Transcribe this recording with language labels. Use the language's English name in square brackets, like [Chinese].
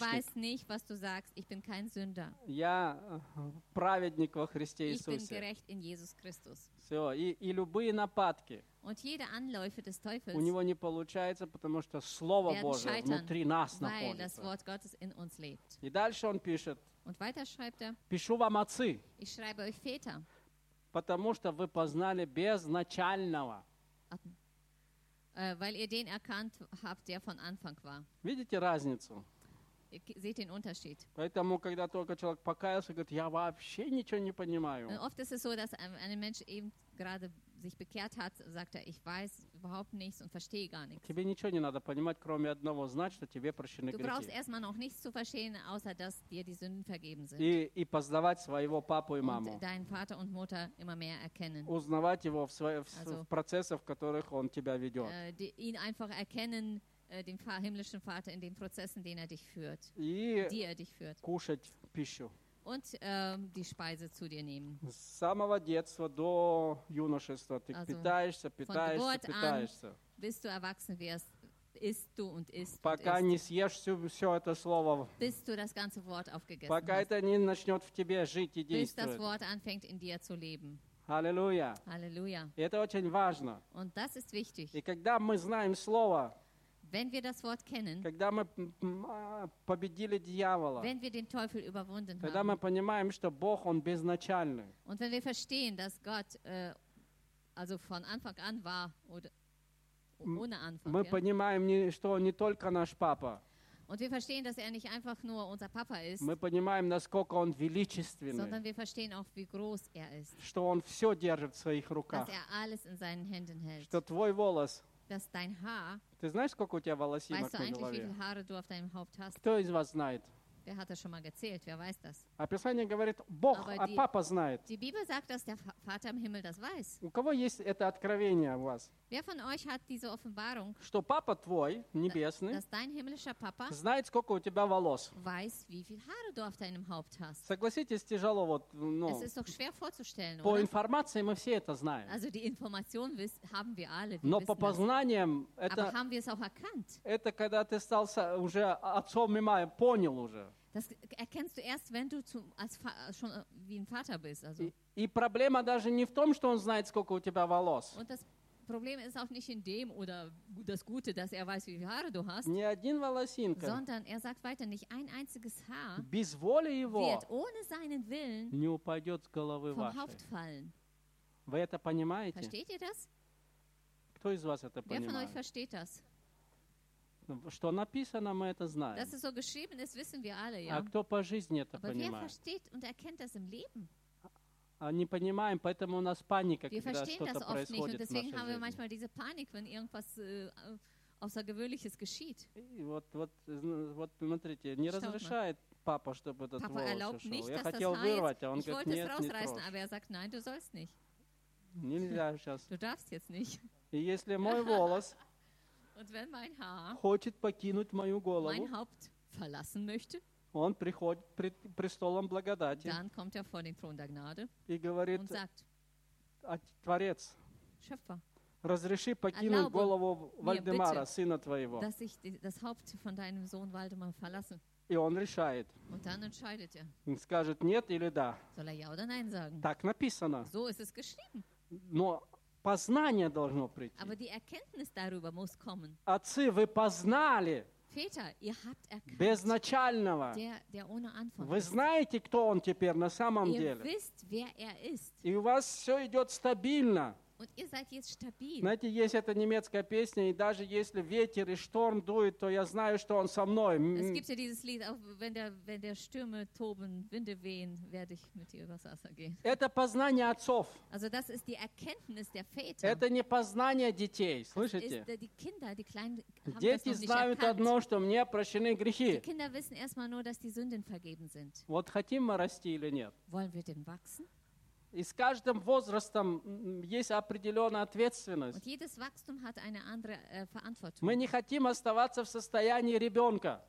[German] Ich weiß nicht, was du sagst. Ich bin kein Sünder. [Russian] Я праведник во Христе Иисусе. [German] Ich bin gerecht in Jesus Christus. [Russian] Все, и любые нападки. [German] Und jede Anläufe des Teufels. [Russian] У него не получается, потому что Слово Божие внутри нас находится. [German] Weil das Wort Gottes in uns lebt. [Russian] И дальше он пишет. [German] Und weiter schreibt er. [Russian] Пишу вам, отцы. [German] Ich schreibe euch Väter. [Russian] Потому что вы познали без начального. [German] Weil ihr den erkannt habt, der von Anfang war. [Russian] Видите разницу? [German] Seht den Unterschied. [Russian] Поэтому, когда только человек покаялся, говорит, я вообще ничего не понимаю. [German] Und oft ist es so, dass ein Mensch eben gerade sich bekehrt hat, sagt er, ich weiß überhaupt nichts und verstehe gar nichts. [Russian] Тебе ничего не надо понимать, кроме одного, знать, что тебе прощены грехи. [German] Du brauchst erstmal noch nichts zu verstehen, außer dass dir die Sünden vergeben sind. [Russian] И познавать своего папу и маму. [German] Und deinen Vater und Mutter immer mehr erkennen. [Russian] Узнавать его в процессах, в которых он тебя ведет. [German] Ihn einfach erkennen, den himmlischen Vater in den Prozessen, die er dich führt. [Russian] Кушать пищу. [German] und die Speise zu dir nehmen. [Russian] С самого детства до юношества ты питаешься, питаешься, питаешься. [German] Bis du erwachsen wirst, isst du und isst. [Russian] Пока [German] und isst. [Russian] Не съешь все это слово. [German] Bis du das ganze Wort aufgegessen [Russian] пока [German] hast. [Russian] Пока это не начнет в тебе жить и действовать. [German] Bis das Wort anfängt in dir zu leben. Halleluja. Halleluja. [Russian] Это очень важно. [German] Und das ist wichtig. [Russian] И когда мы знаем слово. [German] Wenn wir das Wort kennen, [Russian] когда мы победили дьявола, [German] wenn wir den Teufel überwunden [Russian] когда [German] haben, [Russian] мы понимаем, что Бог, Он безначальный, [German] und wenn wir verstehen, dass Gott, also von Anfang an war, oder ohne Anfang, [Russian] понимаем, что Он не только наш Папа, [German] und wir verstehen, dass Er nicht einfach nur unser Papa ist, [Russian] мы понимаем, насколько Он величественный, [German] sondern wir verstehen auch, wie groß Er ist, [Russian] что Он все держит в своих руках, [German] dass Er alles in seinen Händen hält, [Russian] что твой волос, [German] dass dein Haar, [Russian] ты знаешь, сколько у тебя волосинок [German] weißt du [Russian] на голове? [German] Wie viele Haare du auf deinem Haupt hast? [Russian] Кто из вас знает? [German] Wer hat das schon mal gezählt? Wer weiß das? [Russian] А Писание говорит, Бог, [German] aber [Russian] а [German] die, [Russian] Папа знает. [German] Die Bibel sagt, dass der Vater im Himmel das weiß. [Russian] У кого есть это откровение у вас? [German] Wer von euch hat diese Offenbarung, [Russian] что Папа твой, небесный, [German] dass dein himmlischer Papa [Russian] знает, сколько у тебя волос? [German] Weiß, wie viele Haare du auf deinem Haupt hast. [Russian] Согласитесь, тяжело вот, ну, [German] es ist doch schwer vorzustellen, [Russian] по [German] oder? [Russian] Информации мы все это знаем. [German] Also die Information haben wir alle. Wir [Russian] но по познаниям, это, [German] aber haben wir es auch erkannt? [Russian] Это когда ты стал уже отцом и мамой, понял уже. [German] Das erkennst du erst, wenn du zum, als, schon wie ein Vater bist. Also. [Russian] И проблема даже не в том, что он знает, сколько у тебя волос. [German] Und das Problem ist auch nicht in dem oder das Gute, dass Er weiß, wie viele Haare du hast. [Russian] Не один волосинка. [German] Sondern Er sagt weiter, nicht ein einziges Haar [Russian] без воли его [German] wird ohne seinen Willen [Russian] не упадет с головы [German] vom [Russian] вашей. [German] Haupt fallen. [Russian] Вы это понимаете? [German] Versteht ihr das? [Russian] Кто из вас это [German] Wer [Russian] понимает? [German] Von euch versteht das? [Russian] Что написано, мы это знаем. [German] Dass es so geschrieben ist, wissen wir alle, ja. [Russian] А кто по жизни это [German] Aber [Russian] понимает? [German] Wer versteht und erkennt das im Leben? [Russian] А не понимаем, поэтому у нас паника, [German] wir [Russian] когда что-то происходит [German] nicht, [Russian] в нашей жизни. [German] Haben wir manchmal diese Panik, wenn irgendwas Außergewöhnliches geschieht. [Russian] Вот, смотрите, не разрешает Папа, чтобы этот волос ушел. [German] Erlaubt nicht, [Russian] я хотел вырвать, а он [German] ich [Russian] говорит, [German] wollte [Russian] нет, [German] es rausreißen, [Russian] не [German] aber er sagt, nein, du sollst nicht. [Russian] Нельзя сейчас. [German] Du darfst jetzt nicht. [Russian] И если мой волос [German] und wenn mein Haar [Russian] хочет покинуть мою голову, [German] mein Haupt verlassen möchte, [Russian] он приходит пред престолом благодати, [German] dann kommt er vor den Thron der Gnade [Russian] и говорит, [German] und sagt, [Russian] Творец, [German] Schöpfer, [Russian] разреши покинуть голову Вальдемара, [German] bitte, [Russian] сына твоего. [German] Dass ich das Haupt von deinem Sohn Waldemar verlasse. [Russian] И он решает. [German] Und dann entscheidet er. [Russian] Он скажет нет или да. [German] Soll er ja oder nein sagen? [Russian] Так написано. [German] So ist es geschrieben. [Russian] Но познание должно прийти. [German] Aber die Erkenntnis darüber muss kommen. [Russian] Отцы, вы познали [German] Väter, ihr habt erkannt, [Russian] безначального. [German] Der ohne Anfang [Russian] вы знаете, кто он теперь на самом [German] ihr [Russian] деле. [German] Wisst, wer er ist. [Russian] И у вас все идет стабильно. [German] Und ihr seid jetzt stabil. [Russian] Знаете, есть эта немецкая песня, и даже если ветер и шторм дует, то я знаю, что он со мной. [German] Es gibt ja dieses Lied, auch wenn der Stürme toben, Winde wehen, werde ich mit dir übers Wasser gehen. [Russian] Это познание отцов. [German] Also das ist die Erkenntnis der Väter. [Russian] Это не познание детей, слышите? [German] Ist, die Kinder, die Kleinen, haben [Russian] дети [German] das noch nicht [Russian] знают [German] erkannt. [Russian] Одно, что мне прощены грехи. [German] Die Kinder wissen erstmal nur, dass die Sünden vergeben sind. [Russian] Вот хотим мы расти или нет? [German] Wollen wir denn wachsen? [Russian] И с каждым возрастом есть определенная ответственность. [German] Und jedes Wachstum hat eine andere, Verantwortung. [Russian] Мы не хотим оставаться в состоянии ребенка.